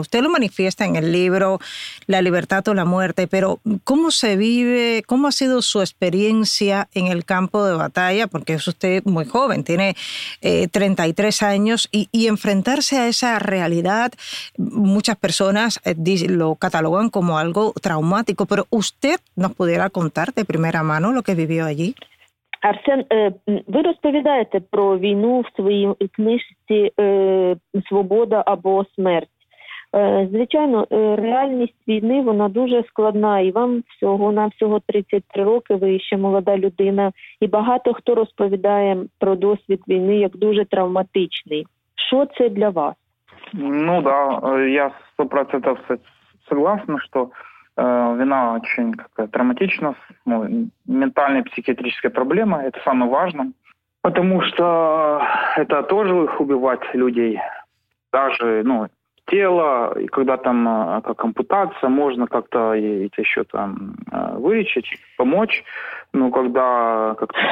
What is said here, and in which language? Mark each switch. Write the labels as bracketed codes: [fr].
[es] Usted lo manifiesta en el libro La libertad o la muerte, pero ¿cómo se vive, cómo ha sido su experiencia en el campo de batalla? Porque es usted muy joven, tiene 33 años, y enfrentarse a esa realidad, muchas personas lo catalogan como algo traumático, pero usted, ¿nos pudiera contar de primera mano lo que vivió allí? [uk] Арсен, ви розповідаєте про війну в своїй книжці «Свобода або смерть». Звичайно, реальність війни, вона дуже складна, і вам всього-навсього 33 роки, ви ще молода людина, і багато хто розповідає про досвід війни як дуже травматичний. Що це для вас? [ru] Ну, да, я 100% согласен, що вина очень какая травматична, ну, ментальная, психиатрическая проблема, это самое важное, потому что это тоже убивать людей, даже, ну, тело, и когда там как ампутация, можно как-то это еще там вылечить, помочь, но когда как-то...